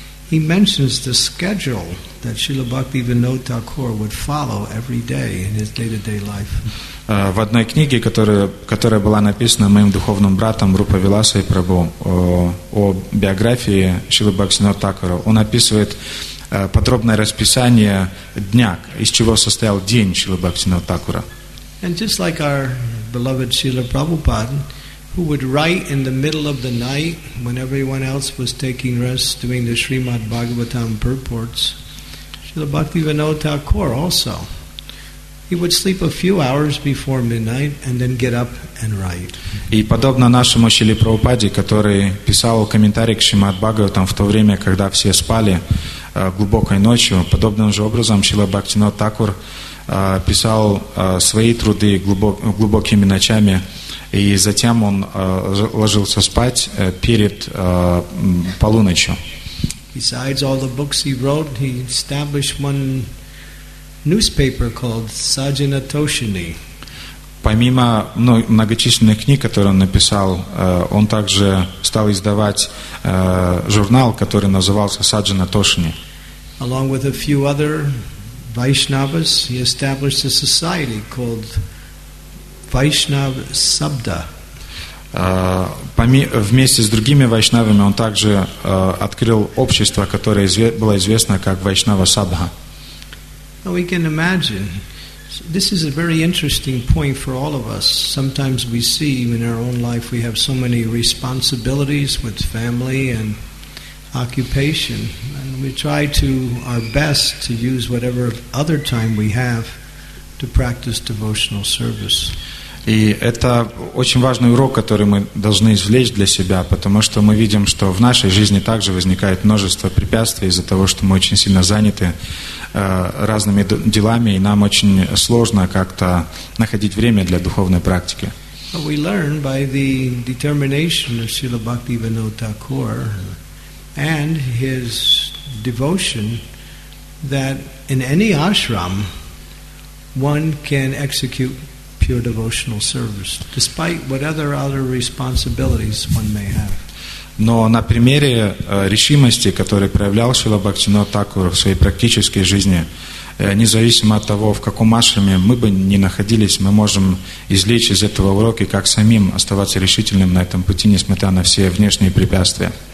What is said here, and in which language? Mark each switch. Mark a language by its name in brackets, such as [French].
[English] He mentions the schedule that Srila Bhaktivinoda Thakur would follow every day in his day-to-day life. [Russian] В одной книге, которая была написана моим духовным братом Рупа Виласой Прабху о биографии Шрилы Бхактивинода Такура, он описывает подробное расписание дня, из чего состоял день Шрилы Бхактивинода Такура. [English] And just like our beloved Srila Prabhupada, who would write in the middle of the night when everyone else was taking rest doing the Srimad Bhagavatam purports, Srila Bhaktivinoda Thakur also. He would sleep a few hours before midnight and then get up and write. [Russian] И подобно нашему Шриле Прабхупаде, который писал комментарий к Шримад Бхагаватам в то время, когда все спали глубокой ночью, подобным же образом Шрила Бхактивинода Такур писал свои труды глубокими ночами, и затем он ложился спать перед полуночью. [English] Besides all the books he wrote, he established one newspaper called Sajjana Toshini. [Russian] Помимо многочисленных книг, которые он написал, он также стал издавать журнал, который назывался Sajjana Toshini. [English] Along with a few other Vaishnavas, he established a society called Vaishnav Sabda. [Russian] Вместе с другими вайшнавами он также открыл общество, которое было известно как Вайшнава Сабха. [English] Now we can imagine, this is a very interesting point for all of us. Sometimes we see in our own life we have so many responsibilities with family and occupation, and we try to our best to use whatever other time we have to practice devotional service. [Russian] И это очень важный урок, который мы должны извлечь для себя, потому что мы видим, что в нашей жизни также возникает множество препятствий из-за того, что мы очень сильно заняты разными делами, и нам очень сложно как-то находить время для духовной практики. [English] We learn by the determination of Srila Bhaktivinoda Thakur and his devotion that in any ashram one can execute pure devotional service, despite what other responsibilities one may have. [Russian] Но на примере решимости, которую проявлял Шрила Бхактивинода Тхакур в своей практической жизни, независимо от того, в каком ашраме мы бы ни находились, мы можем извлечь из этого уроки, как самим оставаться решительным на этом пути, несмотря на все внешние препятствия.